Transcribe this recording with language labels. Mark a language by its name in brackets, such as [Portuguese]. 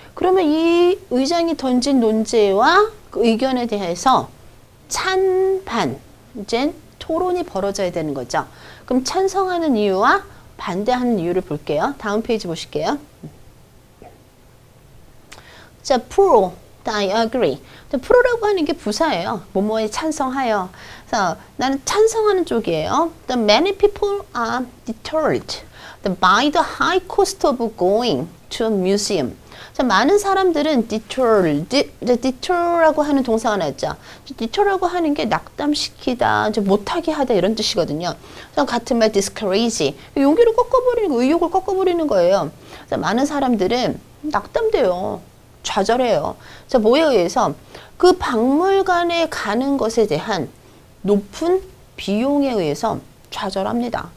[Korean] 그러면 이 의장이 던진 논제와 그 의견에 대해서 찬반, 이제 토론이 벌어져야 되는 거죠. 그럼 찬성하는 이유와 반대하는 이유를 볼게요. 다음 페이지 보실게요. 자, pro, [English] I agree. [Korean] pro라고 하는 게 부사예요. 뭐뭐에 찬성하여. 그래서 나는 찬성하는 쪽이에요. [English] The many people are deterred by the high cost of going to a museum. [Korean] 자, 많은 사람들은 deterred라고 하는 동사가 나왔죠. deter라고 하는 게 낙담시키다, 못하게 하다 이런 뜻이거든요. 같은 말, discourage. 용기를 꺾어버리는 거, 의욕을 꺾어버리는 거예요. 그래서 많은 사람들은 낙담돼요. 좌절해요. 자, 뭐에 의해서 그 박물관에 가는 것에 대한 높은 비용에 의해서 좌절합니다.